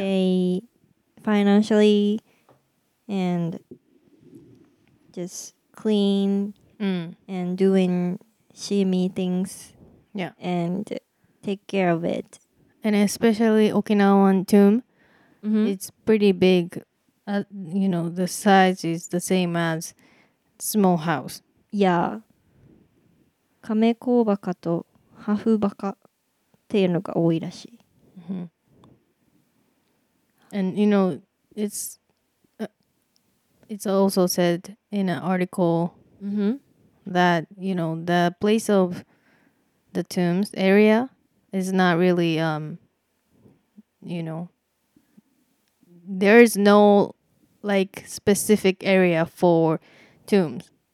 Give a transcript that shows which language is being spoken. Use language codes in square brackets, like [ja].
[en] They financially and just clean and doing shimi things and take care of it. And especially Okinawan tomb, it's pretty big. You know, the size is the same as small house. [ja] カメコウバカとハフバカっていうのが多いらしい。 [en] And you know, it's also said in an article that, you know, the place of the tombs area is not really, you know, there is no like specific area for tombs.